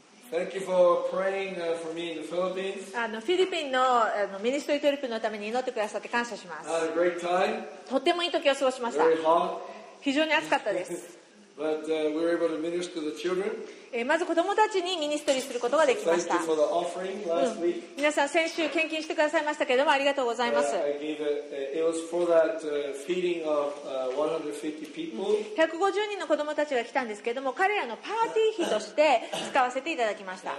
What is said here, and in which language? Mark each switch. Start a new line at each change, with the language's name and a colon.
English: Thank you for praying for me in the Philippines.
Japanese: フィリピンのミニストリートリップのために祈ってくださって感謝します。
English: Had a great time.
Japanese: とてもいい時を過ごしました。
English: Very hot.
Japanese: 非常に暑かったです。
English: But we were able to minister to the children.
Japanese: まず子供たちにミニストリーすることができました。
English: Thank you for the offering last week.
Japanese: 皆さん先週献金してくださいましたけれどもありがとうございます。
English: It was for that feeding of 150 people.
Japanese: 150人の子供たちが来たんですけれども彼らのパーティー費として使わせていただきました。